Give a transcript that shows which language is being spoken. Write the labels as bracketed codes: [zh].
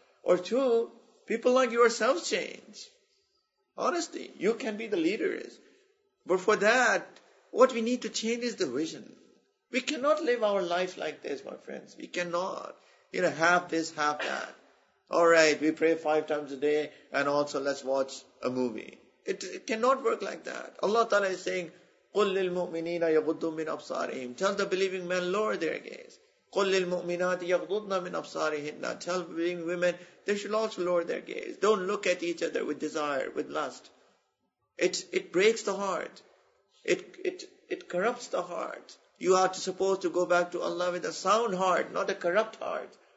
[en] Or two, people like yourselves change. Honestly, you can be the leaders. But for that, what we need to change is the vision. We cannot live our life like this, my friends. We cannot. You know, half this, half that. All right, we pray five times a day and also let's watch a movie. It cannot work like that. Allah Ta'ala is saying, [ar] قُلْ لِلْمُؤْمِنِينَ يَغُضُّوا مِنْ أَبْصَارِهِمْ. [en] Tell the believing men, lower their gaze. [ar] قُلْ لِلْمُؤْمِنَاتِ يَغْضُضْنَ مِنْ أَبْصَارِهِنَّ. [en] Tell believing women, they should also lower their gaze. Don't look at each other with desire, with lust. It breaks the heart. It corrupts the heart. You are supposed to go back to Allah with a sound heart, not a corrupt heart.